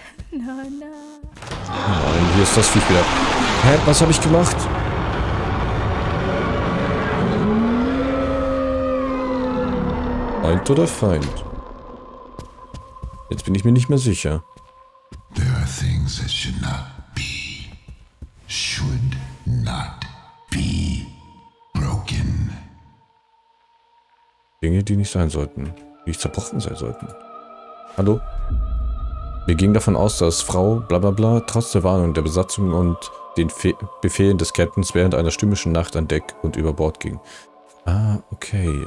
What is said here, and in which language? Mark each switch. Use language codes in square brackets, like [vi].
[de] Nein, hier ist das Viech wieder. Hä, was habe ich gemacht? Feind oder Feind? Jetzt bin ich mir nicht mehr sicher. [en] There are things that should not be, should not be broken. [de] Dinge, die nicht sein sollten, die nicht zerbrochen sein sollten. Hallo? Wir gingen davon aus, dass Frau blablabla trotz der Warnung der Besatzung und den Befehlen des Captains während einer stürmischen Nacht an Deck und über Bord ging. Ah, okay.